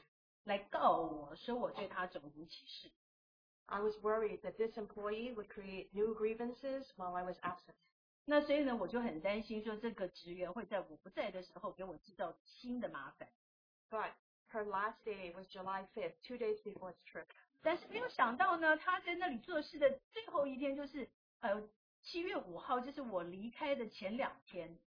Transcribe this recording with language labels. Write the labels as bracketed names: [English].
[Chinese] 而且呢，就是我升级之后呢，有一个很对我很刁难的一个我的职员呢，他就是来告我说我对他种族歧视。 [English] I was worried that this employee would create new grievances while I was absent. [Chinese] 那所以呢，我就很担心说这个职员会在我不在的时候给我制造新的麻烦. [English] But her last day was July 5th, 2 days before his trip. [Chinese] 但是没有想到呢，他在那里做事的最后一天就是7月5号，就是我离开的前两天.